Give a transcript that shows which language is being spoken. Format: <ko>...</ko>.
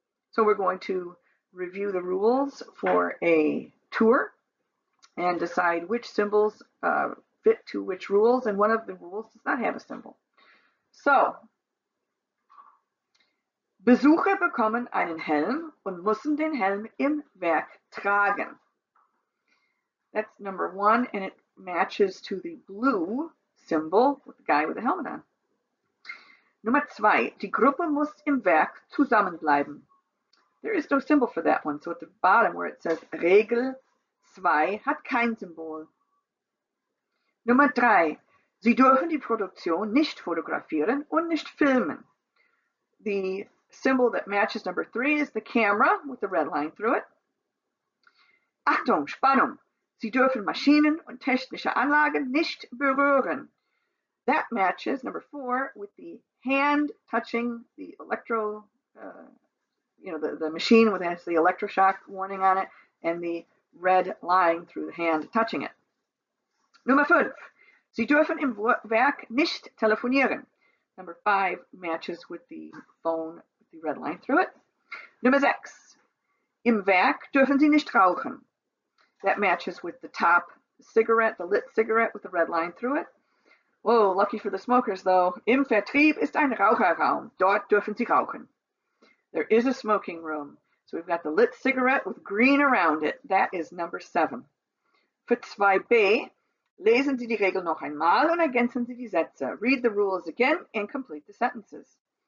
<en>So, we're going to review the rules for a tour and decide which symbols fit to which rules, and one of the rules does not have a symbol.</en> <de>So, Besucher bekommen einen Helm und müssen den Helm im Werk tragen.</de> <en>That's number one, and it matches to the blue symbol with the guy with the helmet on. Number two,</en> <de>die Gruppe muss im Werk zusammenbleiben.</de> <en>There is no symbol for that one. So at the bottom where it says</en> <de>Regel 2 hat kein Symbol.</de> <en>Number three,</en> <de>Sie dürfen die Produktion nicht fotografieren und nicht filmen.</de> <en>The symbol that matches number three is the camera with the red line through it.</en> <de>Achtung, Spannung. Sie dürfen Maschinen und technische Anlagen nicht berühren.</de> <en>That matches number four with the hand touching the electro, the machine with the electroshock warning on it and the red line through the hand touching it. Number fünf.</en> <de>Sie dürfen im Werk nicht telefonieren.</de> <en>Number five matches with the phone, with the red line through it. Number six.</en> <de>Im Werk dürfen Sie nicht rauchen.</de> <en>That matches with the top cigarette, the lit cigarette with the red line through it. Oh, lucky for the smokers though.</en> <de>Im Vertrieb ist ein Raucherraum. Dort dürfen Sie rauchen.</de> <en>There is a smoking room. So we've got the lit cigarette with green around it. That is number seven.</en> <de>For 2b, lesen Sie die Regel noch einmal und ergänzen Sie die Sätze.</de> <en>Read the rules again and complete the sentences.</en>